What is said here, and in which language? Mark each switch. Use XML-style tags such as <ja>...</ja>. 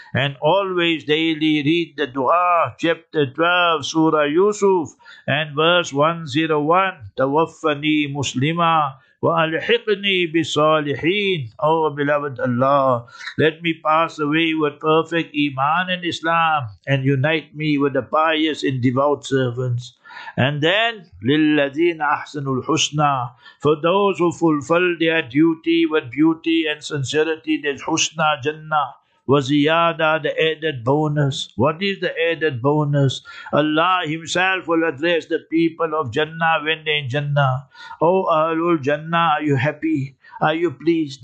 <en>And always daily read the dua, chapter 12, Surah Yusuf, and verse 101, Tawaffani muslima.</en> <ar>وَأَلْحِقْنِي بِصَالِحِينَ.</ar> <en>O beloved Allah, let me pass away with perfect Iman and Islam and unite me with the pious and devout servants. And then,</en> <ar>لِلَّذِينَ أَحْسَنُ الْحُسْنَى.</ar> <en>For those who fulfill their duty with beauty and sincerity, there's husna, jannah. Waziyada, the added bonus. What is the added bonus? Allah Himself will address the people of Jannah when they're in Jannah. O Ahlul Jannah, are you happy? Are you pleased?</en>